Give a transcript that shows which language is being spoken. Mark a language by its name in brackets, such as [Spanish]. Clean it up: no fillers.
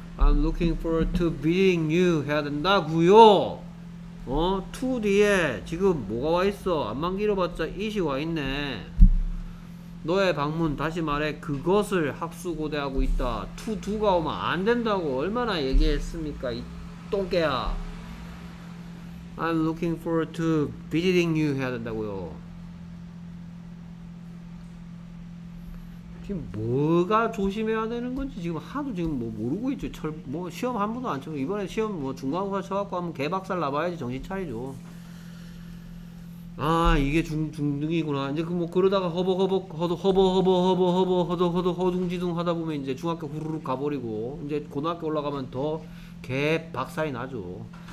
[English] I am looking forward to visiting you [Korean] 해야 된다구요. 어? to 뒤에 지금 뭐가 와있어? 앞만 길어봤자 it이 와있네. 너의 방문, 다시 말해 그것을 학수고대하고 있다. to do가 오면 안 된다고 얼마나 얘기했습니까 이 똥개야. [English] I'm looking forward to visiting you [Korean] 해야 된다고요. 지금 뭐가 조심해야 되는 건지 지금 하도 지금 뭐 모르고 있죠. 뭐 시험 한 번도 안 쳐. 이번에 시험 뭐 중간고사 쳐갖고 한번 개박살 나봐야지 정신 차리죠. 아 이게 중등이구나. 이제 그 뭐 그러다가 허둥지둥 하다 보면 이제 중학교 후루룩 가버리고 이제 고등학교 올라가면 더 개박살이 나죠.